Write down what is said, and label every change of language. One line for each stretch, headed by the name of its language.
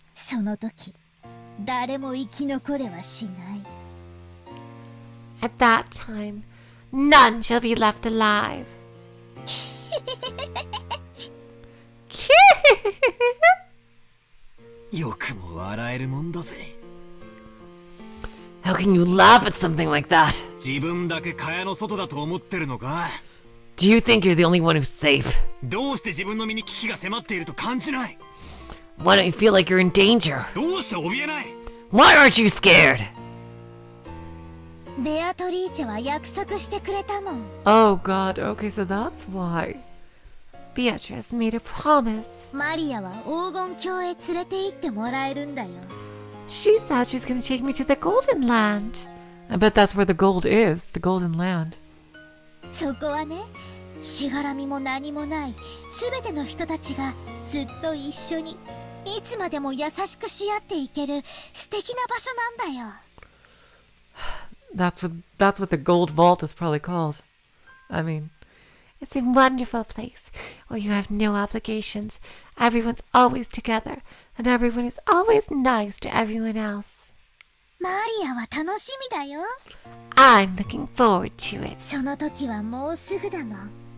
Japanese: その時、誰も生き残れはしない。
English: At that time, none shall be left alive.
Japanese: よくも笑えるもんだぜ。
English: How can you laugh at something like that?
Japanese: 自分だけ蚊帳の外だと思ってるのか?
English: Do you think you're the only one who's safe?
Japanese: どうして自分の身に危機が迫っていると感じない?
English: Why don't you feel like you're in danger?
Japanese: どうして怯えない?
English: Why aren't you scared?
Japanese: ベアトリーチェは約束してくれたもん。
English: Oh god, okay, so that's why. Beatrice made a promise.
Japanese: マリアは黄金郷へ連れて行ってもらえるんだよ。
English: She said she's gonna take me to the golden land. I bet that's where the gold is, the golden land.
Japanese: そこはね、しがらみも何もない、すべての人たちがずっと一緒に、いつまでも優しくし合っていける素敵な場所なんだよ。
English: That's what the gold vault is probably called. I mean, it's a wonderful place where you have no obligations, everyone's always together, and everyone is always nice to everyone else.
Japanese: マリアは楽しみだよ。
English: I'm looking forward to it.
Japanese: その時はもうすぐだもん。